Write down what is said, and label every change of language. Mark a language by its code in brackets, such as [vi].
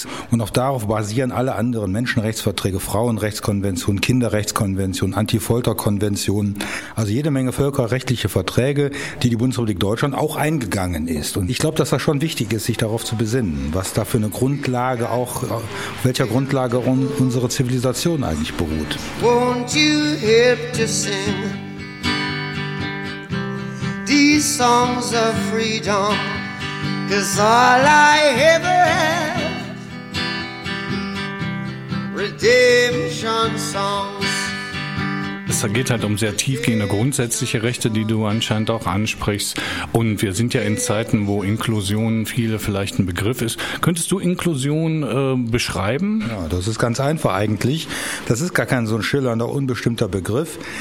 [de] Und auch darauf basieren alle anderen Menschenrechtsverträge, Frauenrechtskonventionen, Kinderrechtskonventionen, Antifolterkonventionen. Also jede Menge völkerrechtliche Verträge, die die Bundesrepublik Deutschland auch eingegangen ist. Und ich glaube, dass das schon wichtig ist, sich darauf zu besinnen, was da für eine Grundlage auch, auf welcher Grundlage unsere Zivilisation eigentlich beruht. [en] Won't you help to sing? These songs of freedom, 'cause all I ever have, redemption songs. [de] Es geht halt um sehr tiefgehende grundsätzliche Rechte, die du anscheinend auch ansprichst. Und wir sind ja in Zeiten, wo Inklusion viele vielleicht ein Begriff ist. Könntest du Inklusion beschreiben? Ja, das ist ganz einfach eigentlich. Das ist gar kein so ein schillernder, unbestimmter Begriff.